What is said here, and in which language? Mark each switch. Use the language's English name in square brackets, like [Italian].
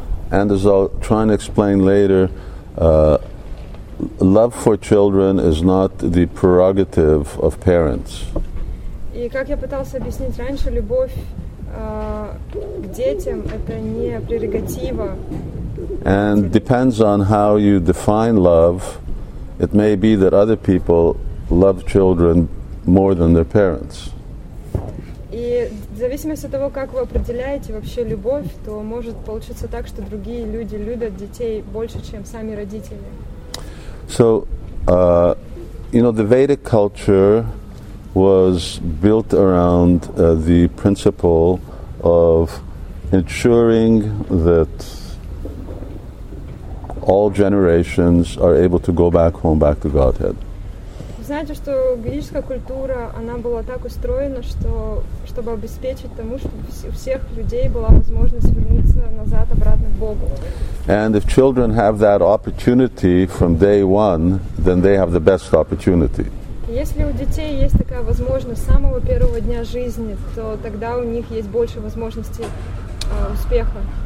[English] And as I'll try and explain later, love for children is not the prerogative of parents. [Russian] И как я пытался объяснить раньше, любовь к детям это не прерогатива. [English] And depends on how you define love. It may be that other people love children more than their parents. [Russian] И в зависимости от того, как вы определяете вообще любовь, то может получиться так, что другие люди любят детей больше, чем сами родители. [English] So, you know, the Vedic culture was built around the principle of ensuring that all generations are able to go back home, back to Godhead. [Russian] Знаете, что ведическая культура, она была так устроена, что чтобы обеспечить тому, чтобы у всех людей была возможность вернуться назад обратно к Богу. [English] And if children have that opportunity from day one, then they have the best opportunity. [Russian] Если у детей есть такая возможность с самого первого дня жизни, то тогда у них есть больше возможностей успеха.